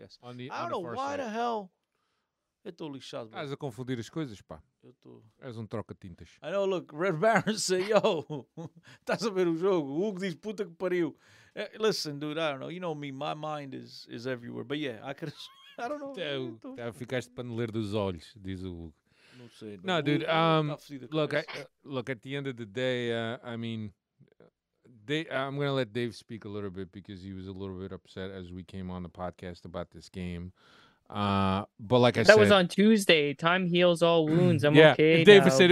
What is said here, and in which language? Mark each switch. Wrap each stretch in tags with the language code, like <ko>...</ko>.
<en>I don't know why the hell.</en> <pt>Eu tô lixado. Estás a confundir as coisas, pá. Eu tô. És troca de tintas.</pt> <en>I know, look, Red Baron said, yo,</en> <pt>estás a ver o jogo? O Hugo diz, puta que pariu.</pt> <en>Listen, dude, I don't know. You know me, my mind is everywhere. But yeah, I could. I don't know.</en> <pt>Até ficaste paneleiro dos olhos, diz o Hugo.</pt> <en>No, dude. Look. At the end of the day, I mean, I'm gonna let Dave speak a little bit because he was a little bit upset as we came on the podcast about this game. But like I said, that was on Tuesday. Time heals all wounds. I'm yeah, okay. Dave now, said but...</en>